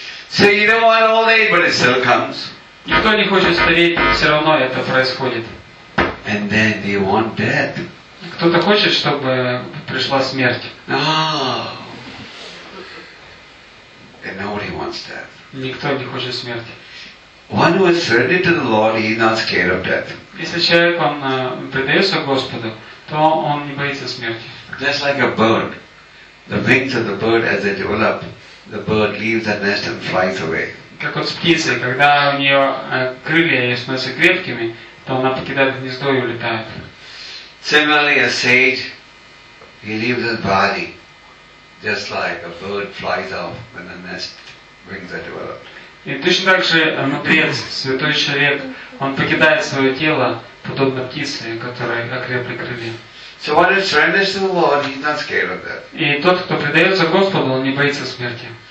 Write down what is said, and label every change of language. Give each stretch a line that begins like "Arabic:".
English: So you don't want old age, but it still comes.
Russian: Никто не хочет стареть, все равно это происходит.
English: And then they want death.
Russian: Кто-то хочет, чтобы пришла смерть.
English: No. And nobody wants death.
Russian: Никто не хочет смерти.
English: One who is surrendered to the Lord, he is not scared of death.
Russian: Если человек он предается Господу, то он не боится смерти.
English: Just like a bird, the wings of the bird as they develop, the bird leaves the nest and flies away.
Russian: Как вот птица, когда у нее крылья становятся крепкими, то она покидает гнездо и улетает.
English: Similarly, a sage, he leaves his body, just like a bird flies off when the nest wings are developed.
Russian: И точно так же мудрец, святой человек, он покидает свое тело, подобно птице, которой окрепли крылья. И тот, кто предается Господу, он не боится смерти.